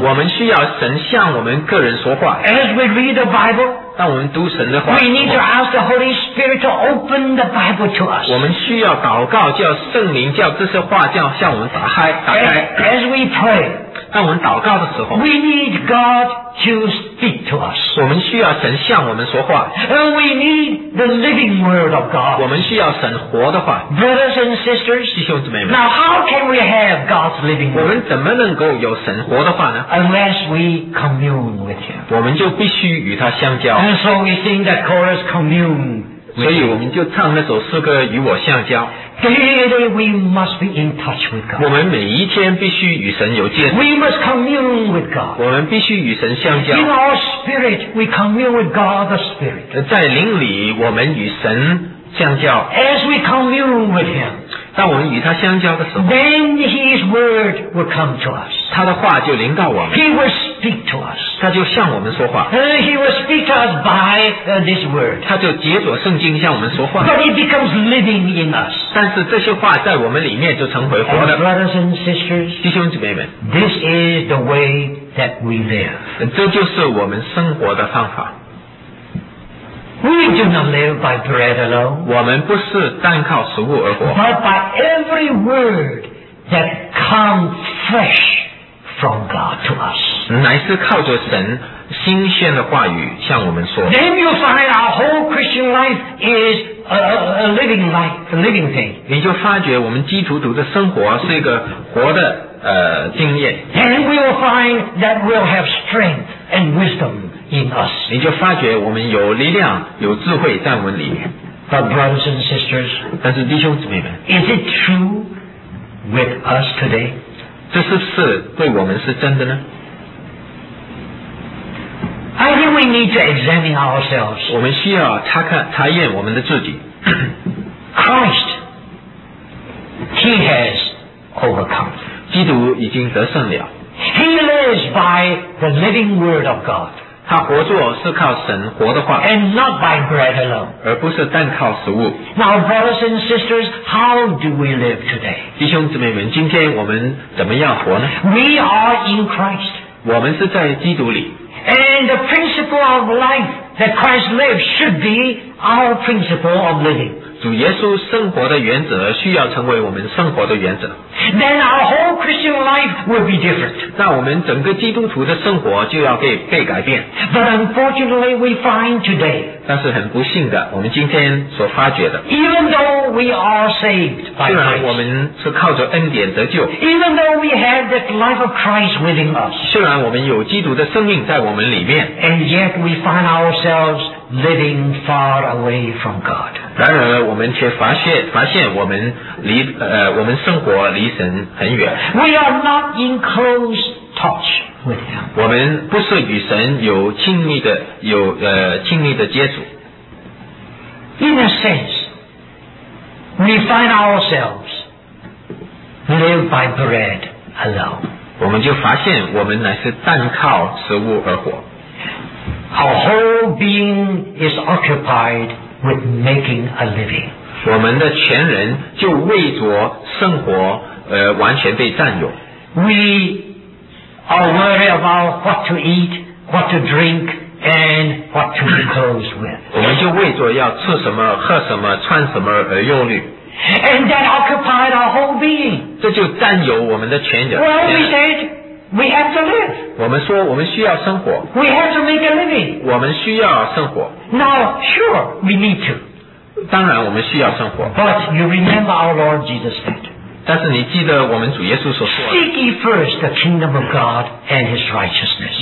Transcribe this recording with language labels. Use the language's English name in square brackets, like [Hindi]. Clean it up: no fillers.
[Chinese] 我们需要神向我们个人说话 [English] As we read the Bible [Chinese] 当我们读神的话 [English] We need to ask the Holy Spirit to open the Bible to us [Chinese] 我们需要祷告叫圣灵叫这些话叫向我们打开 [English] As we pray [Chinese] 当我们祷告的时候 [English] We need God to speak to us [Chinese] 我们需要神向我们说话 [English] And we need the living word of God [Chinese] 我们需要神活的话 [English] Brothers and sisters [Chinese] 弟兄姊妹们 [English] Now how can we have God's living word [Chinese] 我们怎么能够有神活的话呢 [English] Unless we commune with him [Chinese] 我们就必须与他相交 [English] And so we sing that chorus commune [Chinese] 所以我们就唱那首诗歌与我相交 [English] Daily we must be in touch with God. [Chinese] 我们每一天必须与神有接触。 [English] We must commune with God. [Chinese] 我们必须与神相交。 [English] In our spirit, we commune with God the Spirit. [Chinese] 在灵里，我们与神相交。 [English] As we commune with Him, [Chinese] 当我们与他相交的时候 [English] ，then His word will come to us. [Chinese] 他的话就临到我们。 [English] He will speak to us. [Chinese] 他就向我们说话。 [English] He will speak to us by this word. [Chinese] 他就藉着圣经向我们说话。 [English] But it becomes living in us. [Chinese] 但是这些话在我们里面就成为活的。 [English] Brothers and sisters, [Chinese] 弟兄姊妹们 [English] ，this is the way that we live. [Chinese] 这就是我们生活的方法。 [English] We do not live by bread alone. [Chinese] 我们不是单靠食物而活。 [English] But by every word that comes fresh from God to us. [Chinese] 乃是靠着神新鲜的话语向我们说。 [English] Then you find our whole Christian life is a living life, a living thing. [Chinese] 你就发觉我们基督徒的生活是一个活的经验。 [English] And we will find that we'll have strength and wisdom. In us. [Chinese] 你就发觉我们有力量有智慧在我们里面 [English] But brothers and sisters, [Chinese] 但是弟兄姊妹们 [English] Is it true with us today? [Chinese] 这是不是对我们是真的呢 [English] I think we need to examine ourselves [Chinese] 我们需要查验我们的自己 [English] Christ He has overcome [Chinese] 基督已经得胜了 [English] He lives by the living word of God [Chinese] 他活着是靠神活的话 [English] and not by bread alone. [Chinese] 而不是单靠食物 [English] Now brothers and sisters, how do we live today? [Chinese] 弟兄姊妹们今天我们怎么样活呢 [English] We are in Christ. [Chinese] 我们是在基督里 [English] And the principle of life that Christ lives should be our principle of living. [Chinese] 主耶稣生活的原则需要成为我们生活的原则 [English] Then our whole Christian life will be different. [Chinese] 那我们整个基督徒的生活就要被改变 [English] But unfortunately we find today. [Chinese] 但是很不幸的我们今天所发觉的 [English] Even though we are saved by Christ, [Chinese] 虽然我们是靠着恩典得救, [English] even though we have the life of Christ within us, [Chinese] 虽然我们有基督的生命在我们里面, [English] and yet we find ourselves living far away from God. [Chinese] 然而我们却发现我们离我们生活离神很远, [English] we are not in close touch. [Chinese] 我们不是与神有亲密的有亲密的接触。 [English] In a sense, we find ourselves live by bread alone. [Chinese] 我们就发现我们乃是单靠食物而活。 [English] Our whole being is occupied with making a living. [Chinese] 我们的全人就为着生活完全被占有。 [English] We are worried about what to eat, what to drink, and what to be clothed with. [Chinese] 我们就为着要吃什么、喝什么、穿什么而忧虑。 [English] And that occupied our whole being. [Chinese] 这就占有我们的全人。 [English] Well, we said we have to live. [Chinese] 我们说我们需要生活。 [English] We have to make a living. [Chinese] 我们需要生活。 [English] Now, sure, we need to. [Chinese] 当然我们需要生活。 [English] But you remember our Lord Jesus said. [Chinese] 但是你记得我们主耶稣所说的 [English] Seek ye first the kingdom of God and his righteousness.